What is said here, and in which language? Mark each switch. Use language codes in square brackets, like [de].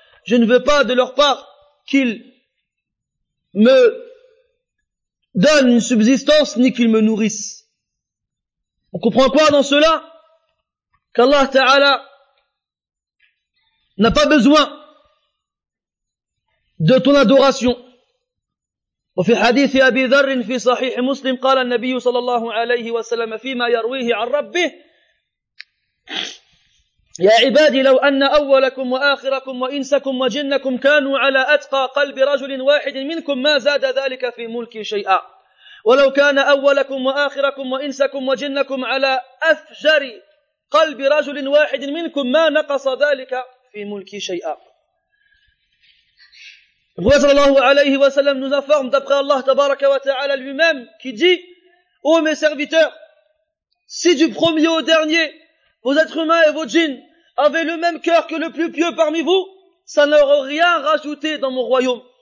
[fr] Je ne veux pas de leur part qu'ils me donne une subsistance, ni qu'il me nourrisse. On comprend quoi dans cela? Qu'Allah Ta'ala n'a pas besoin de ton adoration. Et dans le hadith d'Abi Dharr, dans le Sahih Muslim, [ar] قال النبي صلى الله عليه وسلم فيما يرويه عن ربه يا عبادي لو أن أولكم وآخركم وإنسكم وجنكم كانوا على أتقى قلب رجل واحد منكم ما زاد ذلك في ملكي شيئا. ولو كان أولكم وآخركم وإنسكم وجنكم على أفجر قلب رجل واحد منكم ما نقص ذلك في ملكي شيئا. [fr] Abu [ar] صلى الله عليه وسلم [fr] nous informe d'après Allah tabaraka wa ta'ala lui-même qui dit: Ô mes serviteurs, si du premier au dernier vos êtres humains et vos djinns avaient le même cœur que le plus pieux parmi vous, ça n'aurait rien rajouté dans mon royaume.